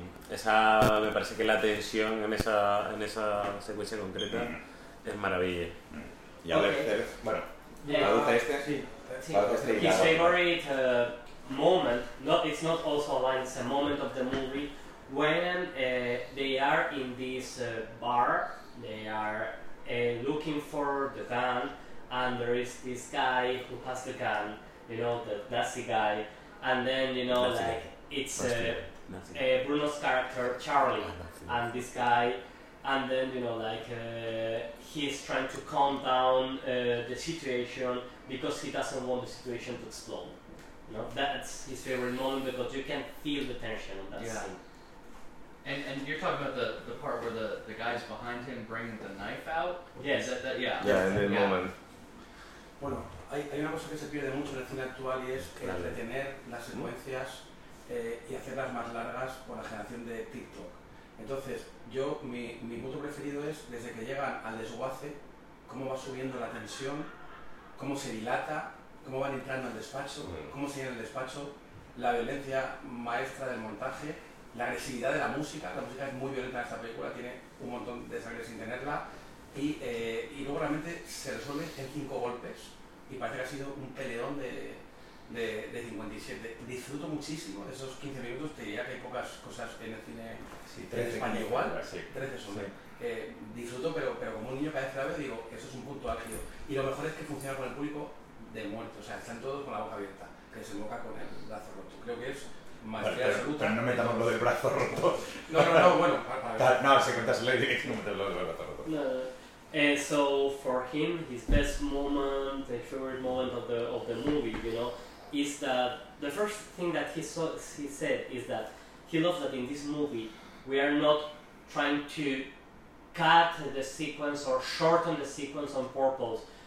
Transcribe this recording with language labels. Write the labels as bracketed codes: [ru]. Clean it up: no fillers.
[es] Esa, me parece que la tensión en esa secuencia concreta es maravilla. Y a ver, bueno, ¿la gusta este? Sí. [en] His favorite moment, no, it's not also a line, it's a moment of the movie when they are in this bar, they are looking for the gun, and there is this guy who has the gun, you know, the Nazi guy, and then, you know, Nazi like, it's Bruno's character, Charlie, and this guy, and then, you know, like, he's trying to calm down the situation because he doesn't want the situation to explode. No, that's his favorite moment because you can feel the tension on that scene. And you're talking about the part where the guys behind him bring the knife out? Yes. That moment. [es] Bueno, hay una cosa que se pierde mucho en el cine actual y es el retener las secuencias y hacerlas más largas por la generación de TikTok. Entonces, yo mi punto preferido es desde que llegan al desguace, cómo va subiendo la tensión, cómo se dilata, cómo van entrando al despacho, cómo se llena el despacho, la violencia maestra del montaje, la agresividad de la música es muy violenta en esta película, tiene un montón de sangre sin tenerla, y luego realmente se resuelve en 5 golpes, y parece que ha sido un peleón de 57. Disfruto muchísimo de esos 15 minutos, te diría que hay pocas cosas en el cine en España igual, 13 sí. Son. Sí. Disfruto, pero como un niño cada vez que la veo, digo, eso es un punto álgido. Y lo mejor es que funciona con el público, de muerto, o sea, están todos con la boca abierta, que se moca con el brazo roto. Creo que es maestría absoluta. Pero no metamos lo del brazo roto. No, bueno, para no, si cuentas la idea, no metes lo del brazo roto. [en] So, for him, his best moment, the favorite moment of the movie, you know, is that the first thing that he said is that he loves that in this movie we are not trying to cut the sequence or shorten the sequence on purpose.